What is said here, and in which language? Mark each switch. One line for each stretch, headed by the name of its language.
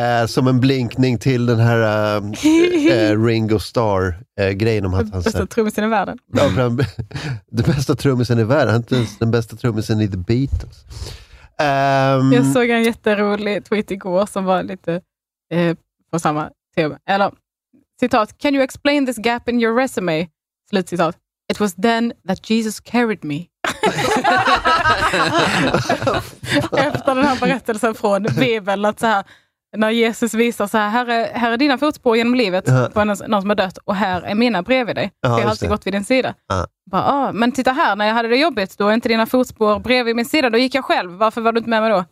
Swedish: Som en blinkning till den här Ringo Starr-grejen om att han bästa trummisen i världen. Det bästa trummisen i världen. Inte ens den bästa trummisen i The Beatles. Jag såg en jätterolig tweet igår som var lite på samma tema. Eller, citat:
English: "Can you explain this gap in your resume?"
Swedish: Slutcitat:
English: "It was then that Jesus carried me."
Swedish: Efter den här berättelsen från Bibeln, att så här, när Jesus visar så här: här är dina fotspår genom livet på någon som har dött, och här är mina bredvid dig. Jag har alltid gått vid din sida. Men titta här, när jag hade det jobbigt, då är inte dina fotspår bredvid min sida, då gick jag själv. Varför var du inte med mig då?